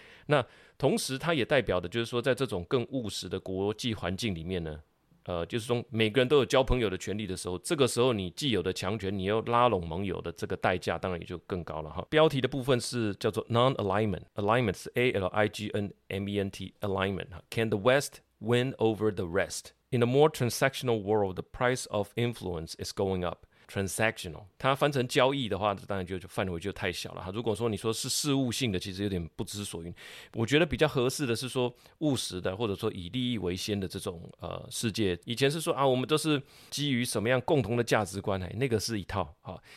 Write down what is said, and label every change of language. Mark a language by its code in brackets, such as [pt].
[zh] 那同时它也代表的就是说，在这种更务实的国际环境里面呢，就是说每个人都有交朋友的权利的时候，这个时候你既有的强权，你又拉拢盟友的这个代价当然也就更高了哈。标题的部分是叫做 non-alignment， alignment 是 A-L-I-G-N-M-E-N-T， alignment。 [en] Can the West win over the rest? In a more transactional world, the price of influence is going up. [zh] Transactional， 它翻成交易的话当然 就范围就太小了哈。如果说你说是事务性的，其实有点不知所云。我觉得比较合适的是说务实的，或者说以利益为先的这种世界。以前是说啊，我们都是基于什么样共同的价值观，那个是一套哈。